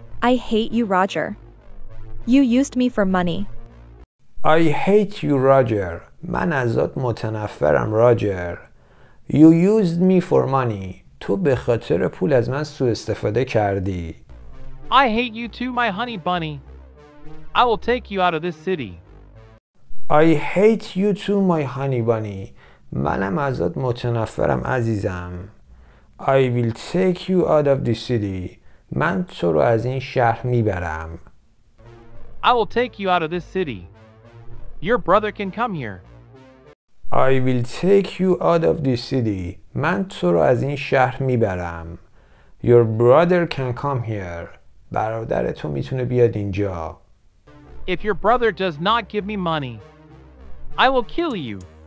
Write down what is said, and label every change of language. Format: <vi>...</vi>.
<en>I hate you, Roger. You used me for money. I hate you, Roger.</en> <fa>من ازت متنفرم,</fa> <en>Roger. You used me for money.</en> <fa>تو به خاطر پول از من سوء استفاده کردی.</fa> <en>I hate you too, my honey bunny. I will take you out of this city. I hate you too, my honey bunny.</en> <fa>منم ازت متنفرم عزیزم.</fa> <en>I will take you out of this city.</en> <fa>من تو رو از این شهر میبرم.</fa> <en>I will take you out of this city. Your brother can come here. I will take you out of this city.</en> <fa>من تو رو از این شهر میبرم.</fa> <en>Your brother can come here.</en> <fa>برادر تو میتونه بیاد اینجا.</fa> <en>If your brother does not give me money, I will kill you.</en>